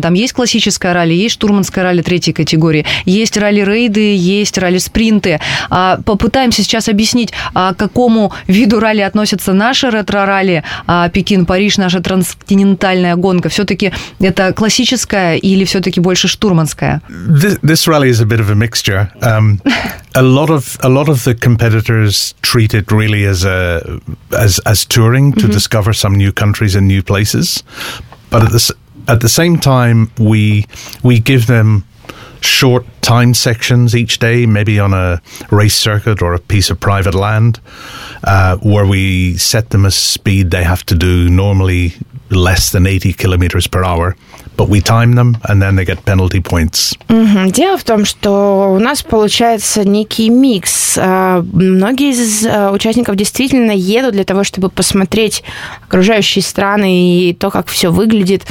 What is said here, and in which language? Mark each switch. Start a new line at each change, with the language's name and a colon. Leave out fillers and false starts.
Russian: Там есть классическое ралли, есть штурманское ралли третьей категории, есть ралли-рейды, есть ралли-спринты. Попытаемся сейчас объяснить, к какому виду ралли относятся наши ретро-ралли. Пекин-Париж, наша трансконтинентальная гонка, все-таки это классическое или все-таки больше штурманская?
English: This rally is a bit of a mixture. A lot of the competitors treat it really as touring to mm-hmm. discover some new countries and new places. But at the same time, we give them short time sections each day, maybe on a race circuit or a piece of private land, where we set them a speed they have to do normally less than 80 kilometers per hour. But we time them, and then they get penalty points. Mm-hmm.
Russian: Дело в том, что у нас получается некий микс. Многие из участников действительно едут для того, чтобы посмотреть окружающие страны и то, как все выглядит.